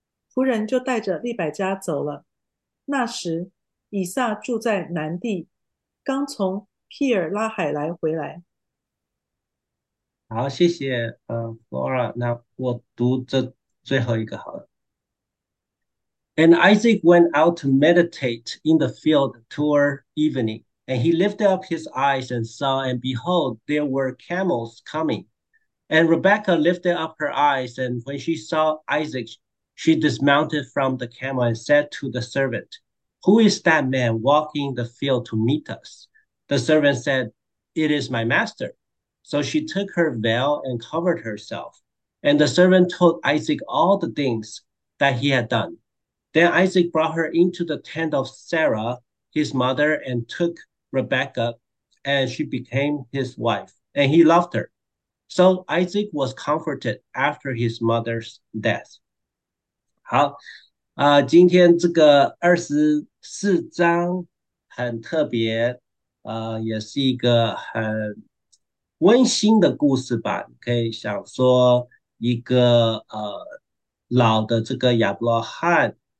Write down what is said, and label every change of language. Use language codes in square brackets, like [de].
[zh] 仆人就带着利百加走了。那时，以撒住在南地，刚从庇尔拉海来回来。好，谢谢，Flora。那我读这最后一个好了。 [en] And Isaac went out to meditate in the field toward evening, and he lifted up his eyes and saw, and behold, there were camels coming. And Rebekah lifted up her eyes, and when she saw Isaac, she dismounted from the camel and said to the servant, "Who is that man walking the field to meet us?" The servant said, "It is my master." So she took her veil and covered herself. And the servant told Isaac all the things that he had done. Then Isaac brought her into the tent of Sarah, his mother, and took Rebekah, and she became his wife, and he loved her. So Isaac was comforted after his mother's death. [zh] 好，今天这个24章很特别，也是一个很温馨的故事吧。可以想说一个老的这个亚伯拉罕。